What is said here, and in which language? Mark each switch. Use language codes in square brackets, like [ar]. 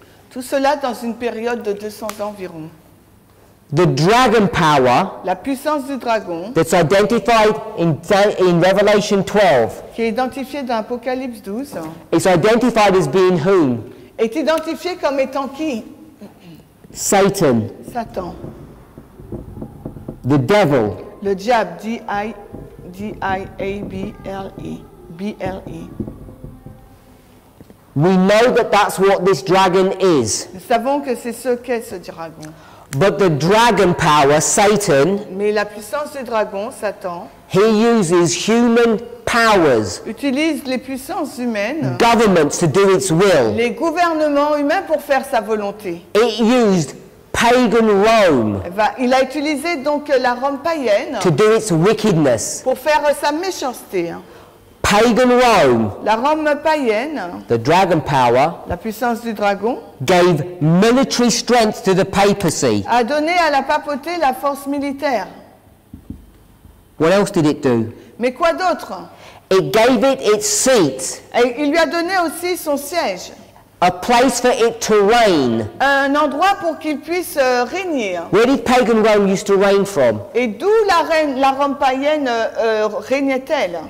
[fr] Tout cela dans une période de 200 ans environ. [en] The dragon power. [fr] La puissance du dragon. [en] That's identified in Revelation 12. [fr] Qui est identifié dans Apocalypse 12. [en] It's identified as being whom. [fr] Est identifié comme étant qui. [en] Satan. The devil. [fr] Le diable, D-I-A-B-L-E. B-L-E. [en] We know that that's what this dragon is. [fr] Nous savons que c'est ce qu'est ce dragon. [en] But the dragon power, Satan. [fr] Mais la puissance du dragon, Satan. [en] He uses human powers. [fr] Utilise les puissances humaines. [en] Governments to do its will. [fr] Les gouvernements humains pour faire sa volonté. [en] It used pagan Rome. [fr] Il a utilisé donc la Rome païenne. [en] To do its wickedness. [fr] Pour faire sa méchanceté. [en] Pagan Rome. [fr] La Rome païenne. [en] The dragon power. [fr] La puissance du dragon. [en] Gave military strength to the papacy. [fr] A donné à la papauté la force militaire. [en] What else did it do? [fr] Mais quoi d'autre? [en] It gave it its seat. [fr] Et il lui a donné aussi son siège. [en] A place for it to reign. [fr] Un endroit pour qu'il puisse régner. [en] Where did pagan Rome used to reign from? [fr] Et d'où la Rome païenne régnait-elle?